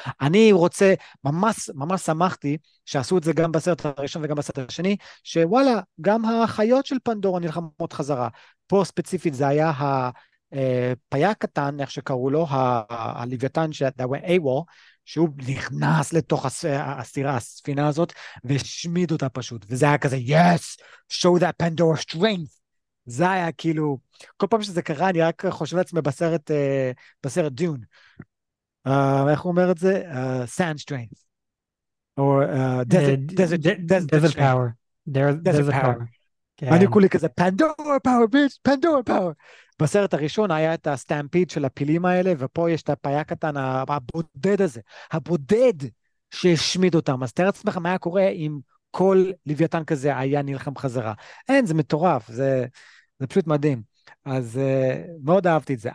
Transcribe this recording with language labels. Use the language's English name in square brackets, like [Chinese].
[Hebrew] אני רוצה, ממש ממש שמחתי שעשו את זה גם בסרט הראשון וגם בסרט השני, שוואלה, גם החיות של פנדורה נלחמות חזרה. פה ספציפית זה היה הפייה הקטן, איך שקראו לו, הלוויתן שהיה AWOL, שהוא נכנס לתוך הסירה, הספינה הזאת, ושמיד אותה פשוט. וזה היה כזה, [English] yes, show that Pandora strength. [Hebrew] זה היה כאילו, כל פעם שזה קרה, אני רק חושב לעצמי בסרט, בסרט דיון. איך הוא אומר את זה? [English] Sand strength. Or desert power. Desert power. [Hebrew] אני כולי כזה, [English] Pandora power, bitch, Pandora power. [Hebrew] בסרט הראשון היה את הסטמפיד של הפילים האלה, ופה יש את הפייה קטן, הבודד הזה, הבודד שהשמיד אותם. אז תראה עצמך מה היה קורה אם כל לוויתן כזה היה נלחם חזרה. אין, זה מטורף, זה פשוט מדהים. אז מאוד אהבתי את זה.